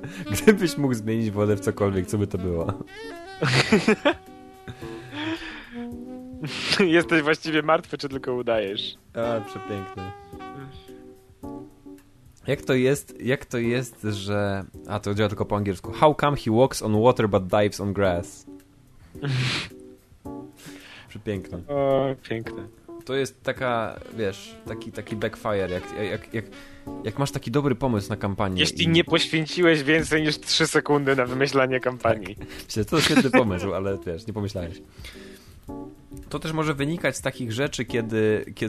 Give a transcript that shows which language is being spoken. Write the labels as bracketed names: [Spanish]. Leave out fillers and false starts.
[Polish] Gdybyś mógł zmienić wodę w cokolwiek, co by to było? Jesteś właściwie martwy, czy tylko udajesz? A, przepiękny. Jak to jest, że... A, to działa tylko po angielsku. [English] How come he walks on water, but dives on grass? [Polish] Przepiękne. O, piękne. To jest taka, wiesz, taki backfire, jak masz taki dobry pomysł na kampanię. Jeśli nie poświęciłeś więcej niż 3 sekundy na wymyślanie kampanii. Tak. Myślę, to świetny pomysł, ale wiesz, nie pomyślałeś. To też może wynikać z takich rzeczy, kiedy